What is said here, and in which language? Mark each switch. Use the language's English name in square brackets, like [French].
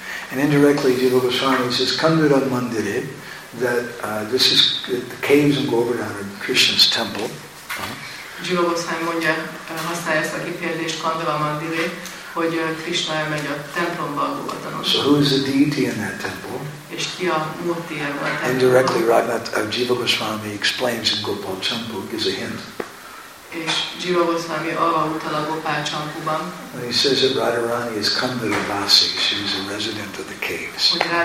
[English] And indirectly, Jiva Goswami says, Kandura Mandire, this is the caves of Govardhana, Krishna's temple. [Hungarian] Jiva Goswami mondja, használja ezt a kifejezést, Kandura Mandire, hogy Krishna elmegy a templomba a Govardhanon. [English] So who is the deity in that temple? [Hungarian] És ki a murti a templomba? [English] Indirectly, Jiva Goswami explains in Gopal Champu, gives a hint. [Hungarian] És Jiva Goswami arra utal a Gopal Champuban. [English] And he says that Radharani is Kandura Vasi, she is a resident of the caves.